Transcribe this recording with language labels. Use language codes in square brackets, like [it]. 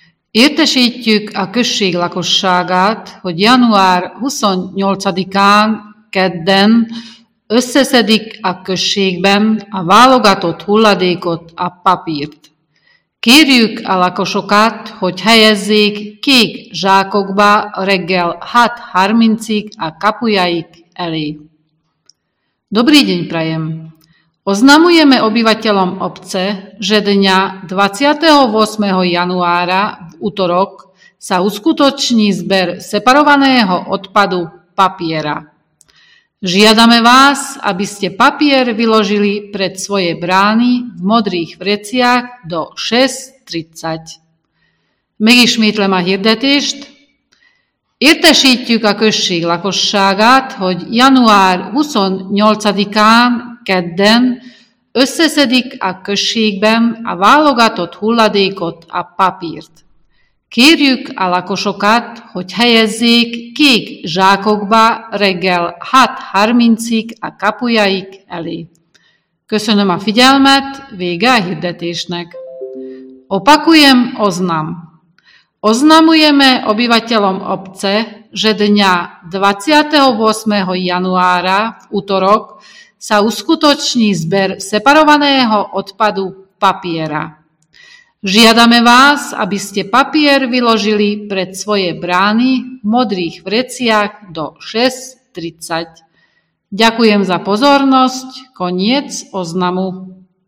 [hu] Értesítjük a község lakosságát, hogy január 28-án, kedden összeszedik a községben a válogatott hulladékot, a papírt. Kérjük a lakosokat, hogy helyezzék kék zsákokba reggel 6:30-ig a kapujaik elé. [sk] Dobrý deň prajem! Oznamujeme obyvateľom obce, že dňa 28. januára v utorok sa uskutoční zber separovaného odpadu papiera. Žiadame vás, aby ste papier vyložili pred svoje brány v modrých vreciach do 6:30. [hu] Megismétlem a hirdetést. Értesítjük a község lakosságát, hogy január 28-án, kedden, összeszedik a községben a válogatott hulladékot, a papírt. Kérjük a lakosokat, hogy helyezzék kék zsákokba reggel 6:30-ig a kapujaik elé. Köszönöm a figyelmet, vége a hirdetésnek. [sk] Opakujem oznam. Oznamujeme obyvateľom obce, že dňa 28. januára v utorok sa uskutoční zber separovaného odpadu papiera. Žiadame vás, aby ste papier vyložili pred svoje brány v modrých vreciach do 6:30. Ďakujem za pozornosť. Koniec oznamu.